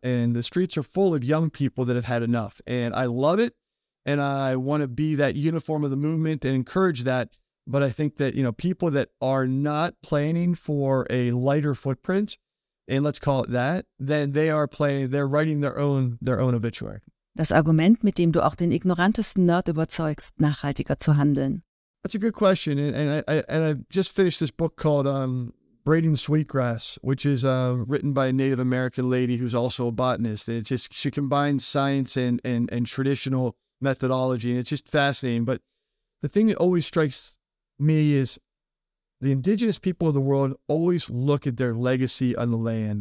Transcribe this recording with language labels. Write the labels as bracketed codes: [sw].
[en] And the streets are full of young people that have had enough. And I love it. And I want to be that uniform of the movement and encourage that. But I think that, you know, people that are not planning for a lighter footprint, and let's call it that, then they are planning, they're writing their own obituary. [de] Das Argument, mit dem du auch den ignorantesten Nerd überzeugst, nachhaltiger zu handeln. [en] That's a good question. And I just finished this book called Braiding Sweetgrass, which is written by a Native American lady who's also a botanist. And it's just, she combines science and traditional methodology, and it's just fascinating. But the thing that always strikes me is the indigenous people of the world always look at their legacy on the land.